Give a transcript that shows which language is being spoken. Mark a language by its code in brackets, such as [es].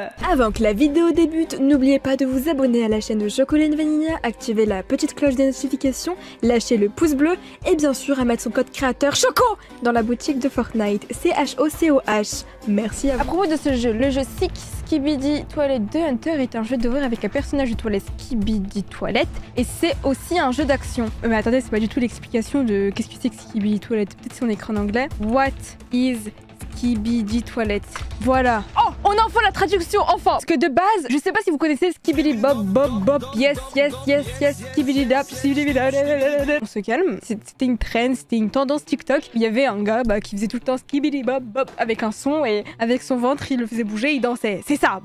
[fr] Avant que la vidéo débute, n'oubliez pas de vous abonner à la chaîne de Chocolat & Vanilla, activer la petite cloche des notifications, lâcher le pouce bleu, et bien sûr, à mettre son code créateur Choco dans la boutique de Fortnite. C-H-O-C-O-H. Merci à vous. À propos de ce jeu, le jeu Six Skibidi Toilette de Hunter est un jeu d'horreur avec un personnage de toilette Skibidi Toilette et c'est aussi un jeu d'action. Mais attendez, c'est pas du tout l'explication de qu'est-ce que c'est que Skibidi Toilette. Peut-être si on écrit en anglais. [en] What is Skibidi Toilette? [fr] Voilà. Oh, on a enfin la traduction, enfin. Parce que de base, je sais pas si vous connaissez Skibidi Bob Bob Bob. Yes. Skibidi Dap. On se calme. C'était une trend, c'était une tendance TikTok. Il y avait un gars bah, qui faisait tout le temps Skibidi Bob Bob avec un son et avec son ventre, il le faisait bouger, il dansait. C'est ça.